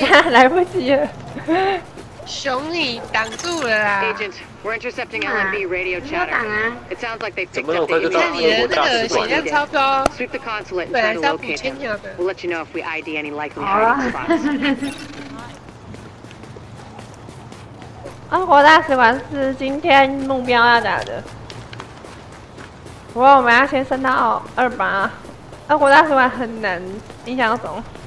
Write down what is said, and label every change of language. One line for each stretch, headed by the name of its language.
Chinese: 来不及了，熊你挡住了啦！
English: Agent, we're intercepting LMB radio chatter.
Chinese: 怎么挡啊？
English: It sounds like they've picked up the intercept.
Chinese: 你看你的那个血量超高。
English: Sweep the consulate and try to locate them. We'll let you know if we ID any likely hiding spots.
Chinese: 啊，国大使馆是今天目标要打的。不过我们要先升到二八。啊，国大使馆很难，印象中。